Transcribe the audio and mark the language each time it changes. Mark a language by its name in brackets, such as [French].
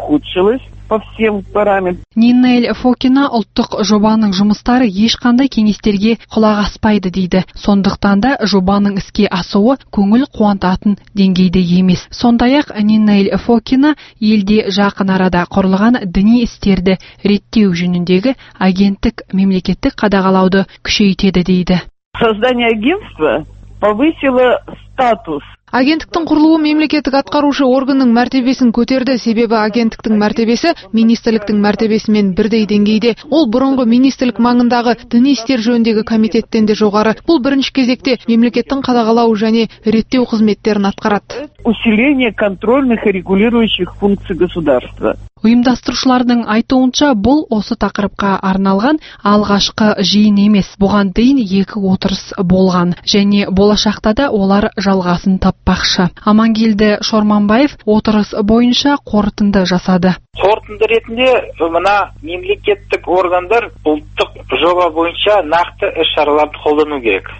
[Kazakh] Нинель Фокина ұлттық жобаның жұмыстары ешқандай кеңестерге құлақ аспайды дейді. Сондықтан да жобаның іске асуы көңіл қуантатын деңгейде емес. Сондай-ақ Нинель Фокина елде жақын арада құрылған діни істерді реттеу жөніндегі агенттік мемлекеттік қадағалауды күшейтеді дейді. [Russian] Создание агентства повысило статус. [Kazakh] Агенттіктің құрылуы мемлекеттік атқарушы органның мәртебесін көтерді, себебі агенттіктің мәртебесі министрліктің мәртебесімен бірдей деңгейде. Ол бұрынғы министрлік маңындағы діни істер жөніндегі комитеттен де жоғары. Бұл бірінші кезекте мемлекеттің қадағалау және реттеу қызметтерін атқарады. [Russian] Усиление контрольных и регулирующих функций государства. [Kazakh] Ұйымдастырушылардың айтуынша, бұл осы тақырыпқа арналған алғашқы жиын емес. Бұған дейін 2 отырыс болған және болашақта да олар жалғасын таппақшы. Амангелді Шорманбаев отырыс бойынша қорытынды жасады. Қорытынды ретінде мына мемлекеттік органдар ұлттық жоба бойынша нақты іс-шараларды қолдану керек.